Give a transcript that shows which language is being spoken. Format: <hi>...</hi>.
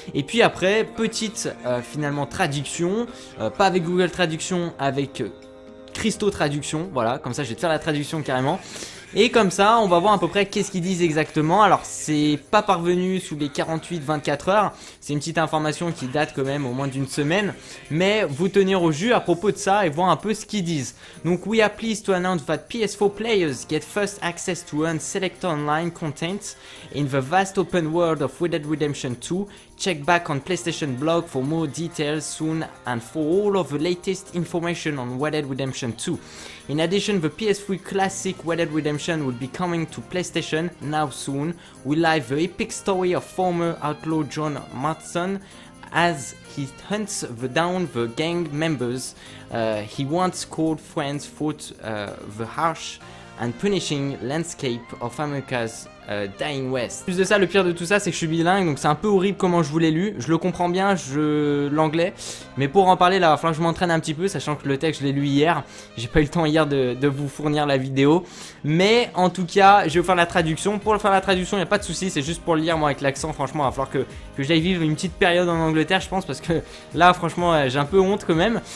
<fr>Et puis après petite finalement traduction, pas avec Google Traduction, avec Christo Traduction. Voilà, comme ça je vais te faire la traduction carrément. Et comme ça, on va voir à peu près qu'est-ce qu'ils disent exactement. Alors, c'est pas parvenu sous les 48-24 heures. C'est une petite information qui date quand même au moins d'une semaine. Mais vous tenir au jus à propos de ça et voir un peu ce qu'ils disent. Donc,</fr> <en>we are pleased to announce that PS4 players get first access to unselect online content in the vast open world of Red Dead Redemption 2. Check back on PlayStation blog for more details soon and for all of the latest information on Red Dead Redemption 2. In addition, the PS3 classic Red Dead Redemption will be coming to PlayStation now soon. We live the epic story of former outlaw John Matson as he hunts down the gang members he once called friends fought the harsh and punishing landscape of America's Dying West.</en> <fr>Plus de ça, le pire de tout ça, c'est que je suis bilingue, donc c'est un peu horrible comment je vous l'ai lu. Je le comprends bien, l'anglais. Mais pour en parler, là, enfin, je m'entraîne un petit peu, sachant que le texte, je l'ai lu hier. J'ai pas eu le temps hier de vous fournir la vidéo. Mais en tout cas, je vais vous faire la traduction. Pour faire la traduction, il n'y a pas de souci, c'est juste pour le lire, moi, avec l'accent. Franchement, il va falloir que j'aille vivre une petite période en Angleterre, je pense, parce que là, franchement, j'ai un peu honte quand même.</fr>